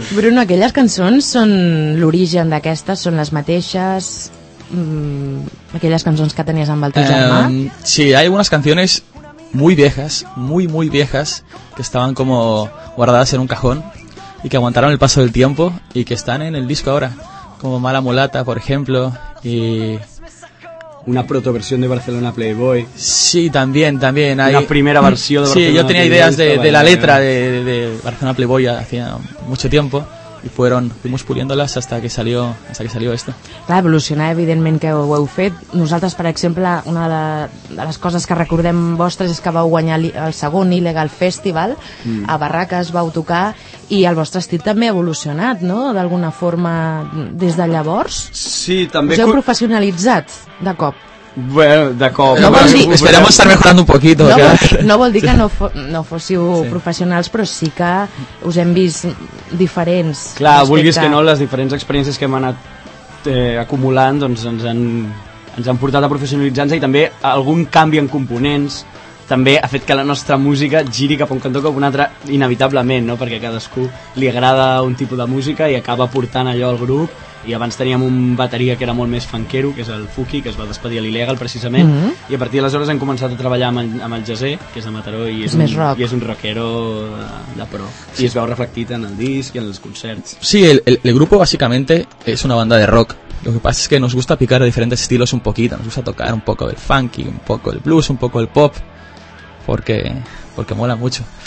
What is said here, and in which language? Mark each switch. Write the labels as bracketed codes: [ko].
[ca] Bruno, aquelles cançons són l'origen d'aquestes? Són les mateixes? Aquelles cançons que tenies amb el teu germà? [es] Sí, hi ha algunes cançons muy viejas, muy, muy viejas, que estaban como guardadas en un cajón y que aguantaron el paso del tiempo y que están en el disco ahora, como Mala Mulata, por ejemplo, y... Una protoversión de Barcelona Playboy. Sí, también hay... Una primera versión de Barcelona Playboy. Sí, yo tenía ideas de la letra de Barcelona Playboy hace mucho tiempo y fueron, fuimos puliéndolas hasta que salió esto. [ca] Clar, evolucionar, evidentment que ho heu fet. Nosaltres, per exemple, una de les coses que recordem vostres és que vau guanyar el segon Illegal Festival, a Barraques vau tocar, i el vostre estil també ha evolucionat, no?, d'alguna forma, des de llavors. Sí, també... Us heu professionalitzat, de cop. Bueno, de cop. No vol dir... [es] Esperem estar mejorando un poquito. [ca] No, no vol dir que no fóssiu professionals, però sí que us hem vist diferents. Clar, vulguis que no, les diferents experiències que hem anat acumulant doncs, ens han portat a professionalitzar-nos, i també algun canvi en components també ha fet que la nostra música giri cap a un cantó com un altre, inevitablement, no? Perquè a cadascú li agrada un tipus de música i acaba portant allò al grup. I abans teníem un bateria que era molt més funkero, que és el Fuki, que es va despedir a l'Illegal, precisament. I a partir d'aleshores hem començat a treballar amb el Jazé, que és de Mataró, i és més un rock. I és un rockero de pro. Sí. I es veu reflectit en el disc i en els concerts. [es] Sí, el grupo básicamente es una banda de rock. Lo que pasa es que nos gusta picar de diferentes estilos un poquito. Nos gusta tocar un poco el funky, un poco el blues, un poco el pop, porque mola mucho.